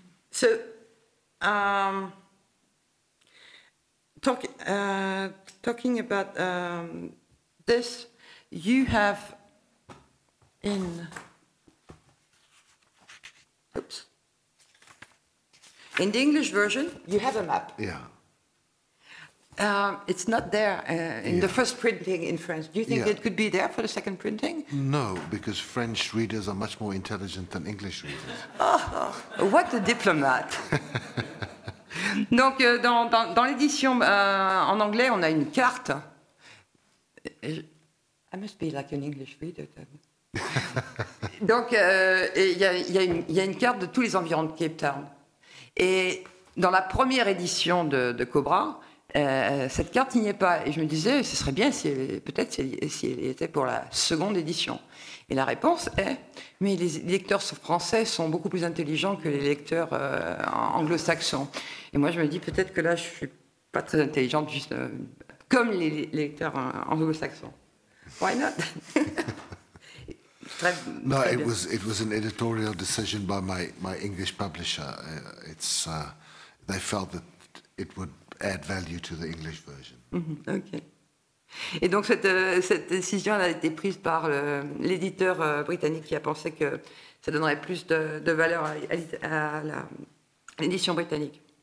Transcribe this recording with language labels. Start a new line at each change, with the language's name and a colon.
English: So, talking about this, you have in the English version, you have a map. Yeah. It's not there in the first printing in France. Do you think it could be there for the second printing? No, because French readers are much more intelligent than English readers. Oh, what a diplomat!
French: Donc, dans l'édition en anglais, on a une carte. I must be like an English reader. Then. Donc, il y a une carte de tous les environs de Cape Town. Et dans la première édition de Cobra, cette carte, il n'y est pas. Et je me disais, ce serait bien si elle était pour la seconde édition. Et la réponse est, mais les lecteurs français sont beaucoup plus intelligents que les lecteurs anglo-saxons. Et moi, je me dis, peut-être que là, je ne suis pas très intelligente, juste comme les lecteurs anglo-saxons.
English: Why not? No, it was an editorial decision by my English publisher. It's they felt that it would add value to the English version. Mm-hmm, OK.
French: Et donc, cette décision a été prise par l'éditeur britannique qui a pensé que ça donnerait plus de valeur à l'édition britannique.